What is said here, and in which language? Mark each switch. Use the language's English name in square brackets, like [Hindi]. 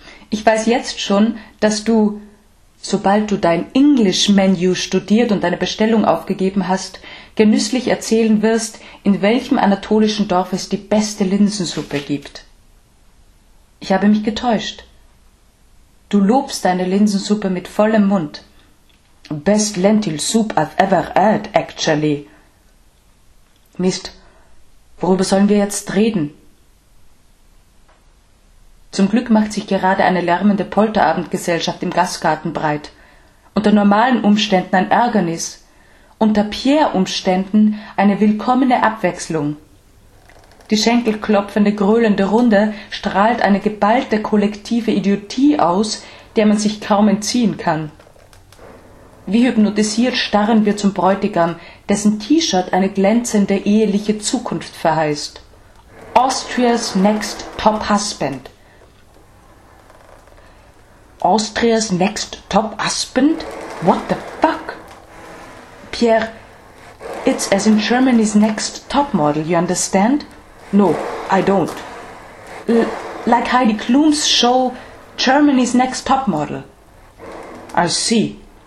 [German] Ich weiß jetzt schon, dass du, sobald du dein English-Menü studiert und deine Bestellung aufgegeben hast, genüsslich erzählen wirst, in welchem anatolischen Dorf es die beste Linsensuppe gibt. Ich habe mich getäuscht. Du lobst deine Linsensuppe mit vollem Mund. [English] Best lentil soup I've ever had, actually. [German] Mist, worüber sollen wir jetzt reden? Zum Glück macht sich gerade eine lärmende Polterabendgesellschaft im Gastgarten breit. Unter normalen Umständen ein Ärgernis. Unter Pierre-Umständen eine willkommene Abwechslung. Die schenkelklopfende, gröhlende Runde strahlt eine geballte kollektive Idiotie aus, der man sich kaum entziehen kann. Wie hypnotisiert starren wir zum Bräutigam, dessen T-Shirt eine glänzende eheliche Zukunft verheißt. [English] Austria's next top husband. Austria's next top husband? What the fuck? Pierre, it's as in Germany's next top model, you understand? No, I don't. Like Heidi Klum's show, Germany's next top model. I see.